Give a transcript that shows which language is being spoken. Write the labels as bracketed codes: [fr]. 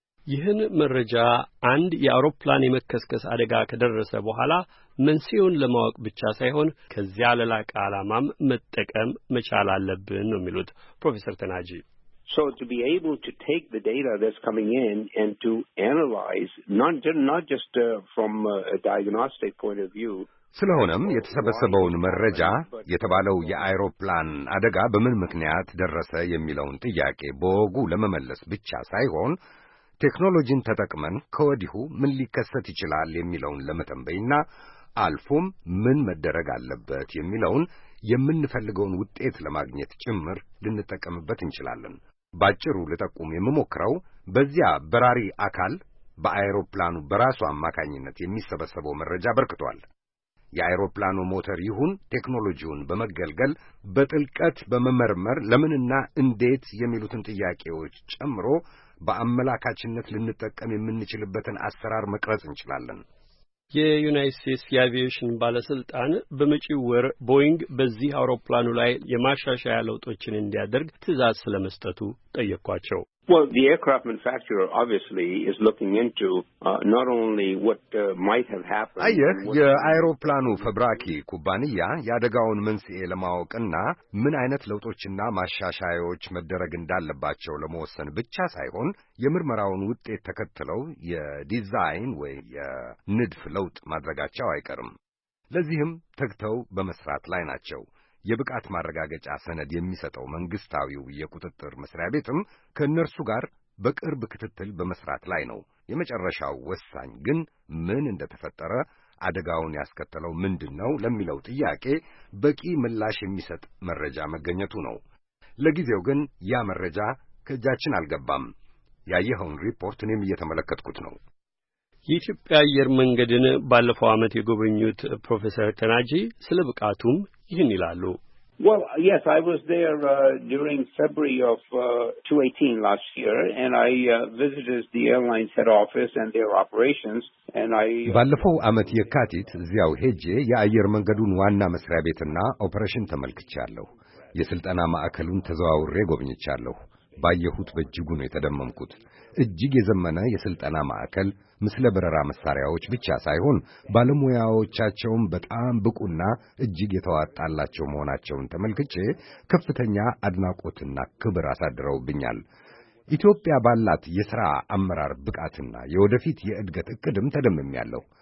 [am] ይህን መረጃ አንድ የአውሮፕላን የመከስከስ አደጋ ከደረሰ በኋላ መንስኤውን ለማወቅ ብቻ ሳይሆን ከዚያ ለላቀ ዓላማም መጠቀም መቻል አለብን ነው የሚሉት ፕሮፌሰር ተናጂ። [en] So to be able to take the data that's coming in and to analyze not just from a diagnostic point of view. [am] ስለሆነም የተሰበሰበውን መረጃ የተባለው የአውሮፕላን አደጋ በምን ምክንያት ደረሰ የሚለውን ጥያቄ በወጉ ለመመለስ ብቻ ሳይሆን ቴክኖሎጂን ተጠቅመን ከወዲሁ ምን ሊከሰት ይችላል የሚለውን ለመተንበይና አልፎም ምን መደረግ አለበት የሚለውን የምንፈልገውን ውጤት ለማግኘት ጭምር ልንጠቀምበት እንችላለን። ባጭሩ ለተቆም የምሞክረው በዚያ በራሪ አካል በአውሮፕላኑ በራሱ አማካኝነት የሚሰበሰበው መረጃ በርክቷል። የአውሮፕላኑ ሞተር ይሁን ቴክኖሎጂውን በመገልገል በጥልቀት በመመርመር ለምንና እንዴት የሚሉትን ጥያቄዎች ጨምሮ በአመላካችነት ልንጠቀም የምንችልበትን አሰራር መቅረጽ እንችላለን። የዩናይትድ ስቴትስ የአቪዬሽን ባለስልጣን በመጪው ወር ቦይንግ በዚህ አውሮፕላኑ ላይ የማሻሻያ ለውጦችን እንዲያደርግ ትዕዛዝ ስለመስጠቱ ጠየቋቸው። [en] Well, the aircraft manufacturer obviously is looking into not only what might have happened. [am] አየህ የአውሮፕላኑ ፈብራኪ ኩባንያ ያደጋውን መንስኤ ለማወቅና ምን አይነት ለውጦችና ማሻሻያዎች መደረግ እንዳለባቸው ለመወሰን ብቻ ሳይሆን የምርመራውን ውጤት ተከትለው የዲዛይን ወይ የንድፍ ለውጥ ማድረጋቸው አይቀርም። ለዚህም ተግተው በመስራት ላይ ናቸው። የብቃት ማረጋገጫ ሰነድ የሚሰጠው መንግስታዊው የቁጥጥር መስሪያ ቤትም ከነርሱ ጋር በቅርብ ክትትል በመስራት ላይ ነው። የመጨረሻው ወሳኝ ግን ምን እንደተፈጠረ አደጋውን ያስከተለው ምንድነው ለሚለው ጥያቄ በቂ ምላሽ የሚሰጥ መረጃ መገኘቱ ነው። ለጊዜው ግን ያ መረጃ ከእጃችን አልገባም። ያየኸውን ሪፖርትን እየተመለከትኩት ነው። የኢትዮጵያ አየር መንገድን ባለፈው አመት የጎበኙት ፕሮፌሰር ተናጂ ስለ ብቃቱም ይህን ይላሉ። [en] Well, yes, I was there during February of 2018 last year and I visited the airline's head office and their operations and I [am] ባለፈው አመት የካቲት እዚያው ሄጄ የአየር መንገዱን ዋና መስሪያ ቤትና ኦፕሬሽን ተመልክቻለሁ። የስልጠና ማዕከሉን ተዘዋውሬ ጎብኝቻለሁ። ባየሁት በእጅጉ ነው የተደመምኩት። እጅግ የዘመነ የስልጠና ማዕከል ምስለ በረራ መሳሪያዎች ብቻ ሳይሆን ባለሙያዎቻቸውም በጣም ብቁና እጅግ የተዋጣላቸው መሆናቸውን ተመልክቼ ከፍተኛ አድናቆትና ክብር አሳድረውብኛል። ኢትዮጵያ ባላት የሥራ አመራር ብቃትና የወደፊት የእድገት እቅድም ተደምሜያለሁ።